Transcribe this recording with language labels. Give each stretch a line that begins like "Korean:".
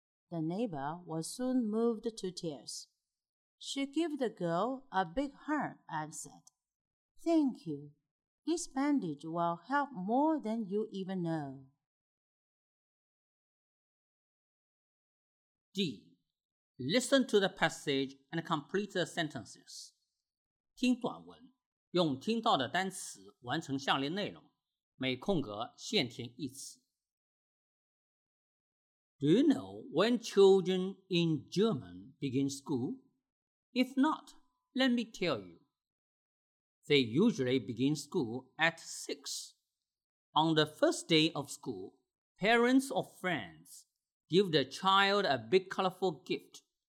English: The neighbor was soon moved to tears. She gave the girl a big hug and said, Thank you. This bandage will help more than you even know. D. Listen to the passage and complete the sentences.
Chinese: 听短文，用听到的单词完成下列内容，每空格限填一词。
English: Do you know when children in German begin school? If not, let me tell you. They usually begin school at 6. On the first day of school, parents or friends give the child a big colorful gift.